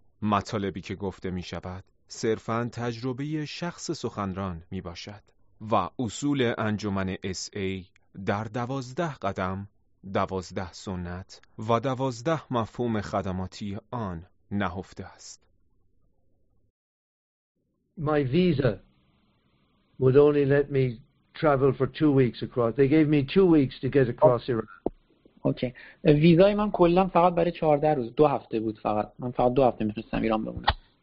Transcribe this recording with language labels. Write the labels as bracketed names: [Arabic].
[Persian] مطالبی که گفته می‌شود صرفاً تجربه شخص سخنران می‌باشد و اصول انجمن SA در 12 قدم، 12 سنت و 12 مفهوم خدماتی آن نهفته است. [English] My visa would only let me travel for 2 weeks across. They gave me 2 weeks to get across Iran. Okay. [Persian] ویزای من کلا فقط برای 14 روز، 2 هفته بود فقط. من فقط 2 هفته میتونستم ایران بمونم.